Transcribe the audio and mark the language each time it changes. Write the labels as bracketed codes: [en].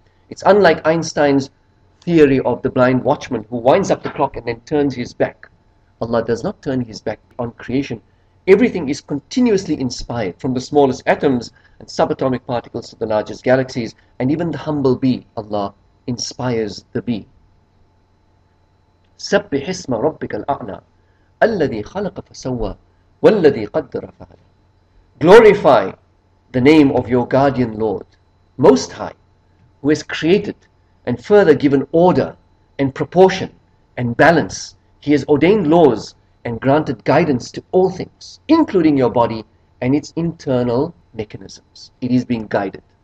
[en] It's unlike Einstein's theory of the blind watchman who winds up the clock and then turns his back. Allah does not turn his back on creation. Everything is continuously inspired, from the smallest atoms and subatomic particles to the largest galaxies, and even the humble bee, Allah inspires the bee. [ar] سبح اسم ربك الأعلى الذي خلق فسوى والذي قدر فعل. [en] Glorify the name of your guardian Lord, Most High, who has created and further given order and proportion and balance. He has ordained laws and granted guidance to all things, including your body and its internal mechanisms. It is being guided.